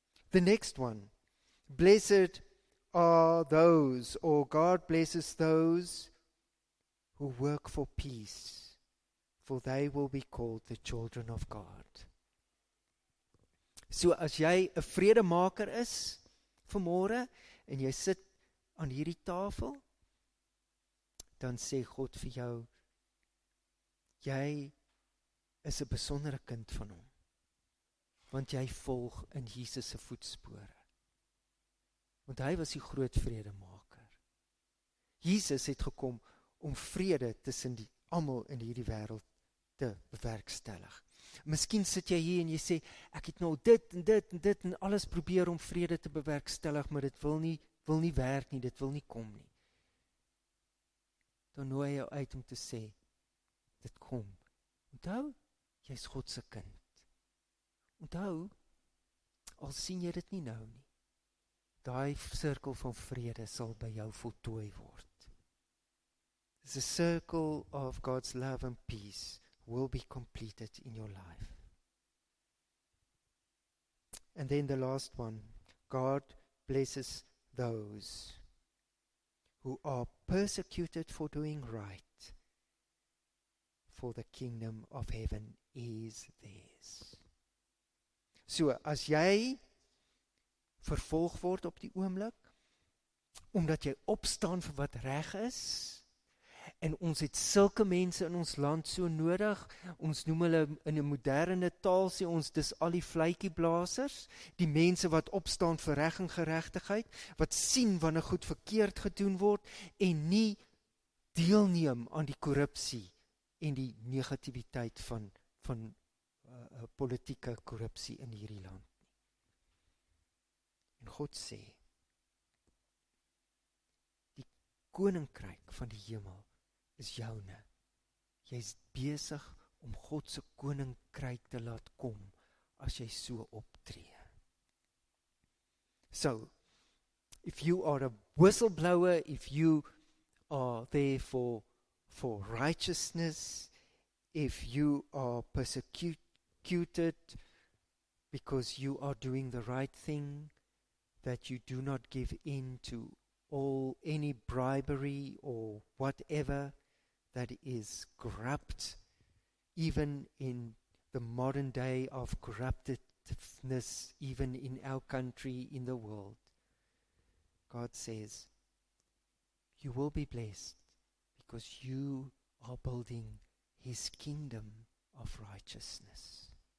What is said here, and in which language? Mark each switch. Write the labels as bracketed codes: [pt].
[en] The next one, blessed are those, or God blesses those who work for peace, for they will be called the children of God. [af] So as jy 'n vredemaker is vanmôre en jy sit aan hierdie tafel, dan sê God vir jou, jy is 'n besondere kind van hom, want jy volg in Jesus se voetspore. Want hy was die groot vredemaker. Jesus het gekom om vrede tussen die almal in hierdie wêreld te bewerkstellig. Miskien sit jy hier en jy sê, ek het nou dit en dit en dit en alles probeer om vrede te bewerkstellig, maar dit wil nie werk nie, dit wil nie kom nie. Dan nooi jou uit om te sê, dit kom. Onthou, jy is God se kind. Onthou, al sien jy dit nie nou nie, daai sirkel van vrede sal by jou voltooi word. [en] The circle of God's love and peace will be completed in your life. And then the last one, God blesses those who are persecuted for doing right, for the kingdom of heaven is theirs. [af] So, as jy vervolg word op die oomblik, omdat jy opstaan vir wat reg is, en ons het sulke mense in ons land so nodig, ons noem hulle in 'n moderne taal, sê ons, dis al die vluitjieblasers, die mense wat opstaan vir reg en geregtigheid, wat sien wanneer goed verkeerd gedoen word, en nie deelneem aan die korrupsie en die negativiteit van politieke korrupsie in hierdie land. En God sê, die koninkryk van die hemel is joune. Jy is besig om God se koninkryk te laat kom as jy so optree. [en] So, if you are a whistleblower, if you are there for righteousness, if you are persecuted because you are doing the right thing, that you do not give in to all any bribery or whatever that is corrupt, even in the modern day of corruptedness, even in our country, in the world, God says, you will be blessed because you are building His kingdom of righteousness.